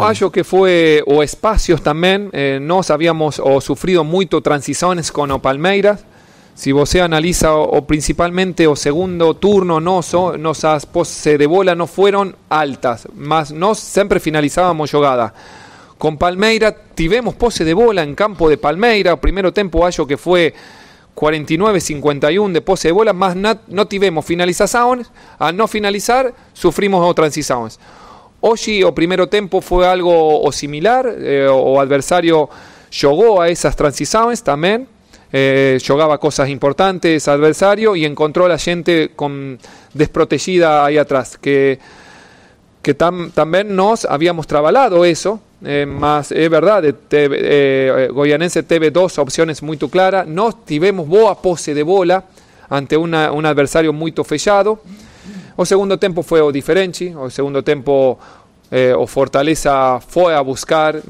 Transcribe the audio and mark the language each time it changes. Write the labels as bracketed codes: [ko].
[pt] Não, acho que foi o espaço também. Nós havíamos sofrido muito transições com o Palmeiras. Se você analisa principalmente o segundo turno nosso, nossas posses de bola não foram altas, mas nós sempre finalizávamos jogada. [es] Con Palmeira tivemos pose de bola en campo de Palmeira. El primer tiempo acho que fue 49-51 de pose de bola, más no tivemos finalizaciones. Al no finalizar, sufrimos transiciones. Hoy, el primer tiempo fue algo similar. O adversario jugó a esas transiciones también. Jugaba cosas importantes adversario y encontró a la gente con desprotegida ahí atrás. Que también nos habíamos trabalado eso. [pt] Mas é verdade, Goianense teve duas opções muito claras. Nós tivemos boa posse de bola ante um adversário muito fechado. O segundo tempo foi o diferente. O segundo tempo, o Fortaleza foi a buscar.